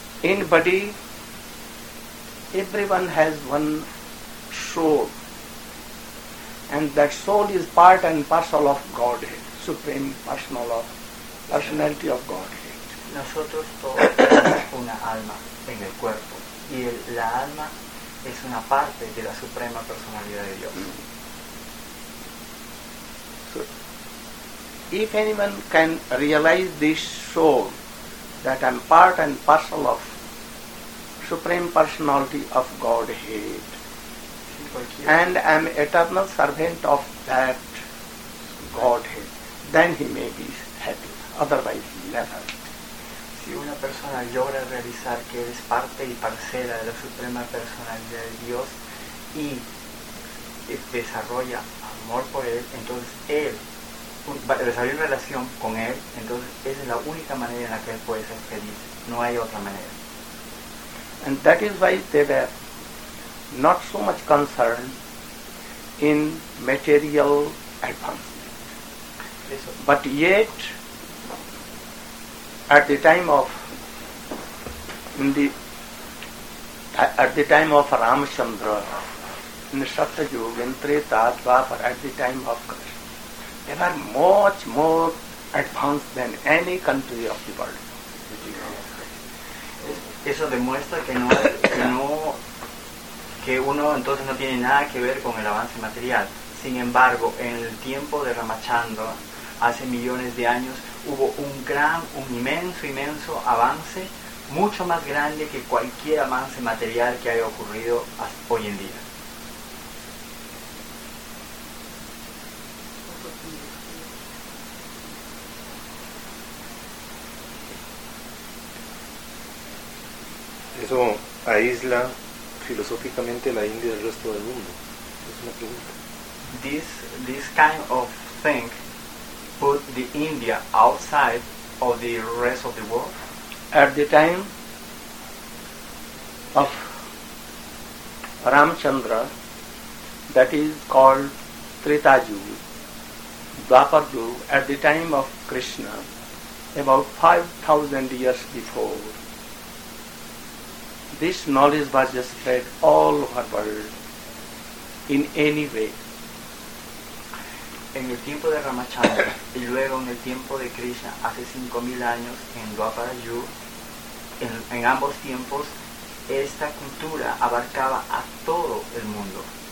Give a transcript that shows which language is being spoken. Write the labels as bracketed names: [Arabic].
[English] in body everyone has one soul and that soul is part and parcel of Godhead, supreme personal of personality of Godhead. [Spanish] Nosotros todos tenemos una alma en el cuerpo y la alma es una parte de la suprema personalidad de Dios. [English] So, if anyone can realize this soul, that I'm part and parcel of supreme personality of Godhead, and I'm eternal servant of that Godhead, then he may be happy. Otherwise, never. [Spanish] Si una persona logra realizar que es parte y parcela de la suprema personalidad de Dios y desarrolla amor por él, entonces él desarrolla una relación con él, entonces esa es la única manera en la que él puede ser feliz. No hay otra manera. [English] And that is why they were not so much concerned in material advancement. But yet, at the time of Ramachandra, in the Satya Yuga, in Treta, Dwapar, at the time of Krishna, they were much more advanced than any country of the world. [Spanish] Eso demuestra que uno entonces no tiene nada que ver con el avance material. Sin embargo, en el tiempo de Ramachandra, hace millones de años, hubo un inmenso avance, mucho más grande que cualquier avance material que haya ocurrido hasta hoy en día. ¿Eso aísla filosóficamente la India del resto del mundo? Es una pregunta. [English] This kind of thing put the India outside of the rest of the world? At the time of Ramachandra, that is called Treta Yuga, Dwapar Yuga, at the time of Krishna, about 5,000 years before, this knowledge was just spread all over the world in any way. [Spanish] En el tiempo de Ramachandra y luego en el tiempo de Krishna, hace 5,000 años en Dwapara Yuga, en ambos tiempos, esta cultura abarcaba a todo el mundo.